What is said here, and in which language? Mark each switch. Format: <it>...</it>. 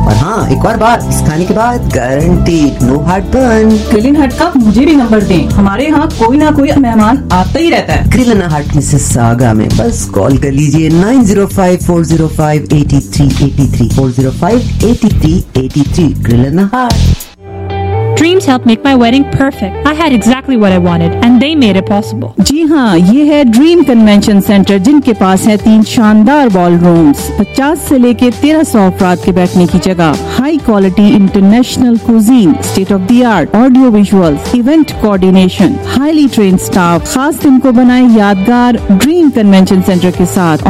<ur>اور ہاں ایک اور بات, اس کھانے کے بعد گارنٹی نو ہارٹ برن. گرلن ہٹ کا مجھے بھی نمبر دیں, ہمارے ہاں کوئی نہ کوئی مہمان آتا ہی رہتا ہے. گرلن ہٹ مسز ساگا میں, بس کال کر لیجیے 905-405-8383.</ur> <en>Dreams helped make my wedding perfect. I had exactly what I wanted and they made it possible.</en> <ur>جی ہاں, یہ ہے ڈریم کنونشن سینٹر جن کے پاس ہے 3 شاندار بال رومز, 50 سے لے کے 1300 افراد کے بیٹھنے کی جگہ, high quality international cuisine, state of the art audio visuals, event coordination, highly trend staff, خاص دن کو بنائے یادگار ڈریم کنونشن سینٹر کے ساتھ.</ur>